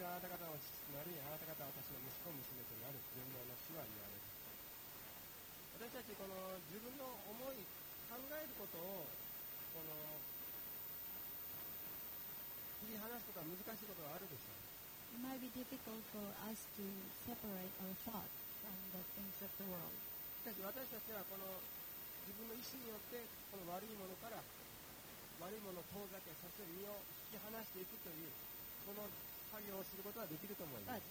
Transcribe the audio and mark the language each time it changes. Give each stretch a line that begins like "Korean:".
Japanese: 私はあなた方を父となり、あなた方は私の息子娘となる。全能の主は言われる。私たちこの自分の思い考えることをこの切り離すことは難しいことはあるでしょう。
English: It might be difficult for us to separate our thoughts from the things of the world.
Japanese: しかし私たちはこの自分の意思によってこの悪いものから悪いものを遠ざけさせ身を引き離していくというこの作業をすることはできると思います。